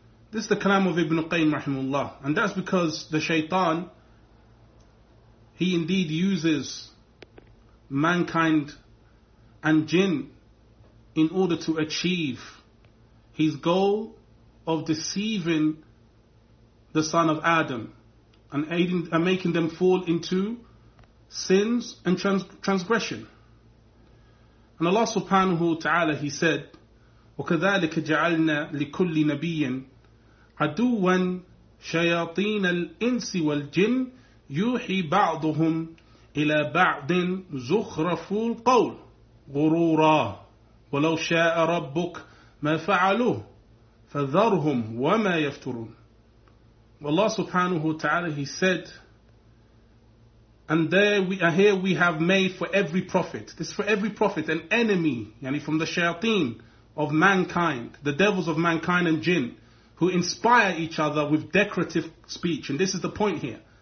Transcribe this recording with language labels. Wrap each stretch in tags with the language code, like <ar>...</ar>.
<en>This is the kalam of Ibn Qayyim rahimullah. And that's because the shaytan, he indeed uses mankind and jinn in order to achieve his goal of deceiving the son of Adam and aiding and making them fall into sins and transgression. And Allah subhanahu wa ta'ala, he said,</en> <ar>وَكَذَلِكَ جَعَلْنَا لِكُلِّ نَبِيٍّ عَدُوًا شَيَاطِينَ الْإِنْسِ وَالْجِنِّ يُوحِي بَعْضُهُمْ إِلَى بَعْضٍ زُخْرَفُ الْقَوْلِ غُرُورًا ولو شاء ربك ما فعلوه فذرهم وما يفترون.</ar> <en>Allah subhanahu wa ta'ala, he said, and there we are, here we have made for every prophet, this is for every prophet, an enemy, yani from the shayateen of mankind, the devils of mankind and jinn, who inspire each other with decorative speech. And this is the point here.</en>